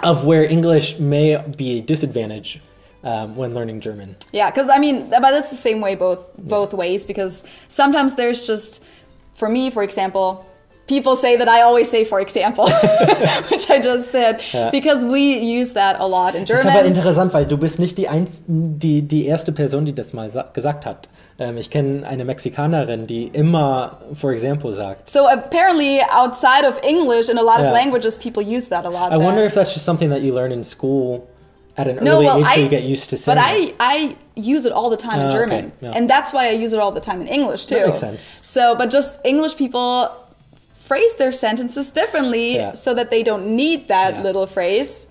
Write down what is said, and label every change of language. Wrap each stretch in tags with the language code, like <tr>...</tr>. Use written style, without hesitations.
<en>of where English may be a disadvantage, when learning German. Yeah, because I mean, but it's the same way both ways, because sometimes there's just, for me, for example, people say that I always say for example, which I just did, because we use that a lot in German.</en> <de>Das ist aber interessant, weil du bist nicht die erste Person, die das mal gesagt hat. Ich kenne eine Mexikanerin, die immer</de> <en>for example</en> <de>sagt.</de> <en>So apparently outside of English, in a lot of languages, people use that a lot. I wonder if that's just something that you learn in school at an early age, so you get used to saying it. I use it all the time in German. Okay. Yeah. And that's why I use it all the time in English too. That makes sense. So, but just English people phrase their sentences differently so that they don't need that little phrase.</en>